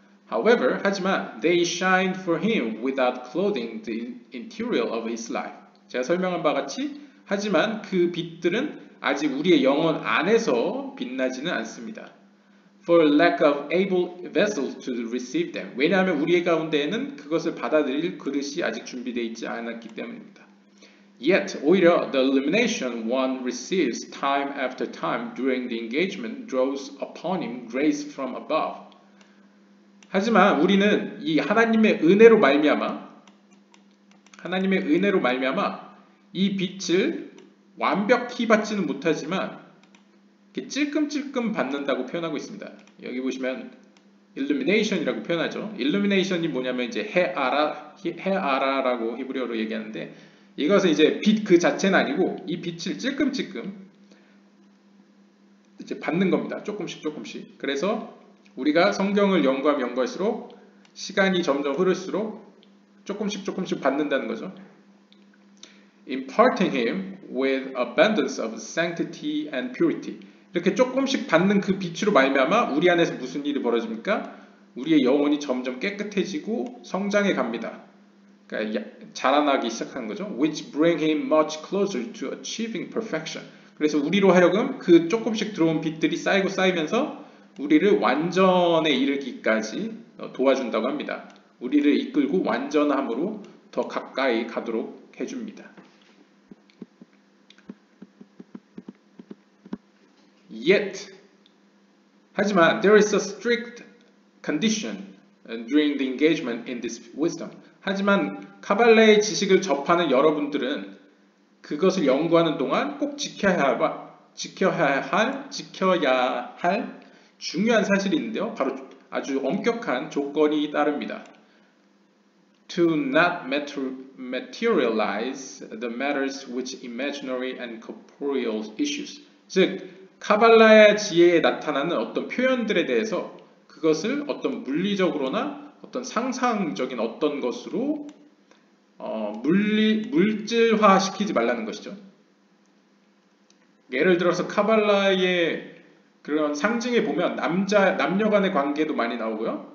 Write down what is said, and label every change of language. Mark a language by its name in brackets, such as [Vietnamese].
[English] However, [Korean] 하지만 [English] they shine for him without clothing the interior of his life. [Korean] 제가 설명한 바 같이 하지만 그 빛들은 아직 우리의 영혼 안에서 빛나지는 않습니다. [English] For lack of able vessels to receive them. [Korean] 왜냐하면 우리의 가운데에는 그것을 받아들일 그릇이 아직 준비되어 있지 않았기 때문입니다. [English] Yet, [Korean] 오히려 [English] the illumination one receives time after time during the engagement draws upon him grace from above. [Korean] 하지만 우리는 이 하나님의 은혜로 말미암아 이 빛을 완벽히 받지는 못하지만 이렇게 찔끔찔끔 받는다고 표현하고 있습니다. 여기 보시면 illumination이라고 표현하죠. illumination이 뭐냐면 이제 헤아라라고 히브리어로 얘기하는데 이것은 이제 빛 그 자체는 아니고 이 빛을 찔끔찔끔 이제 받는 겁니다. 조금씩 조금씩. 그래서 우리가 성경을 연구하면 연구할수록 시간이 점점 흐를수록 조금씩 조금씩 받는다는 거죠. [English] imparting him with abundance of sanctity and purity. [Korean] 이렇게 조금씩 받는 그 빛으로 말미암아 우리 안에서 무슨 일이 벌어집니까? 우리의 영혼이 점점 깨끗해지고 성장해 갑니다. 그러니까 자라나기 시작하는 거죠. [English] which bring him much closer to achieving perfection. [Korean] 그래서 우리로 하여금 그 조금씩 들어온 빛들이 쌓이고 쌓이면서 우리를 완전에 이르기까지 도와준다고 합니다. 우리를 이끌고 완전함으로 더 가까이 가도록 해줍니다. [English] Yet, [Korean] 하지만 [English] there is a strict condition during the engagement in this wisdom. [Korean] 하지만 카발라의 지식을 접하는 여러분들은 그것을 연구하는 동안 꼭 지켜야 할 중요한 사실이 있는데요. 바로 아주 엄격한 조건이 따릅니다. [English] To not materialize the matters which imaginary and corporeal issues. [Korean] 즉, 카발라의 지혜에 나타나는 어떤 표현들에 대해서 그것을 어떤 물리적으로나 어떤 상상적인 어떤 것으로 물질화 시키지 말라는 것이죠. 예를 들어서 카발라의 그런 상징에 보면 남녀 간의 관계도 많이 나오고요.